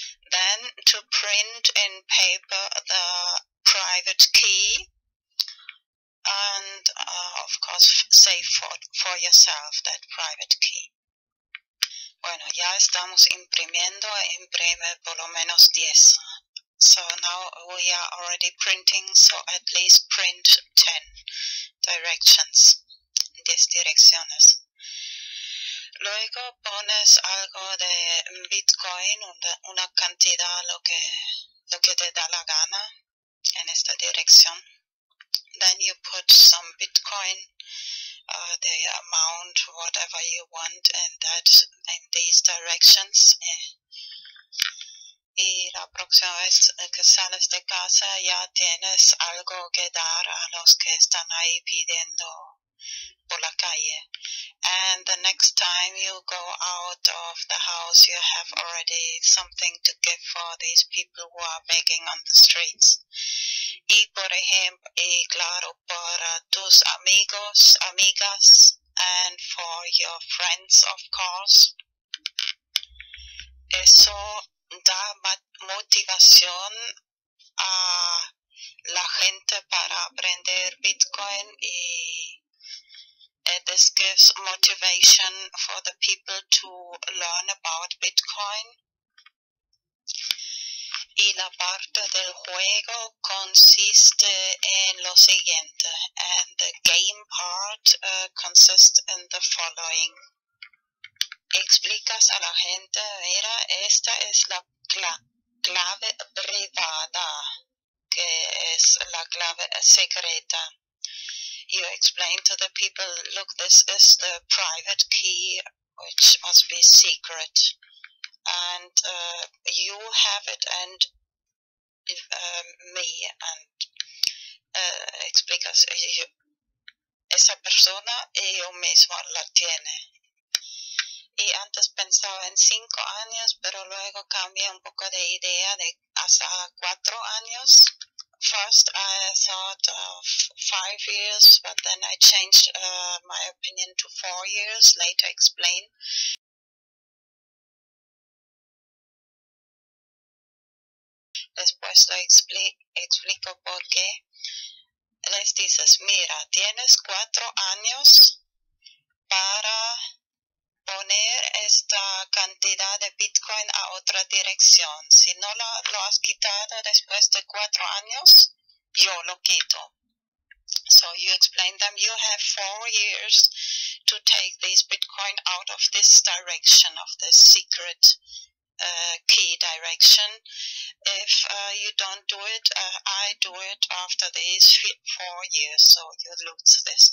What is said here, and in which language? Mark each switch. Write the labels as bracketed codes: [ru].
[en] Then to print in paper the private key and of course save for yourself that private key. [es] Bueno, ya estamos imprimiendo, imprime por lo menos 10. [en] So now we are already printing, so at least print 10 directions, [es] 10 direcciones. Luego pones algo de Bitcoin, una cantidad, lo que te da la gana en esta dirección. [en] Then you put some Bitcoin, the amount, whatever you want, in these directions. [es] Y la próxima vez que sales de casa ya tienes algo que dar a los que están ahí pidiendo por la calle. [en] And the next time you go out of the house, you have already something to give for these people who are begging on the streets. [es] Y por ejemplo, y claro, para tus amigos, amigas, [en] and for your friends, of course. [es] Eso da motivación a la gente para aprender Bitcoin y [en] this gives motivation for the people to learn about Bitcoin. [es] Y la parte del juego consiste en lo siguiente. [en] And the game part consists in the the following. [es] Explicas a la gente, mira, esta es la clave privada, que es la clave secreta. [en] You explain to the people, look, this is the private key, which must be secret. And you have it, and me, and [es] explicas, esa persona y yo mismo la tiene. Y antes pensaba en 5 años, pero luego cambié un poco de idea de hasta 4 años. [en] First, I thought of 5 years, but then I changed my opinion to 4 years, later explained. [es] Después lo explico por qué. Les dices, mira, tienes 4 años para poner esta cantidad de Bitcoin a otra dirección. Si no lo has quitado después de 4 años, yo lo quito. [en] So you explain them, you have 4 years to take this Bitcoin out of this direction, of this secret key direction. If you don't do it, I do it after these 4 years, so you lose this.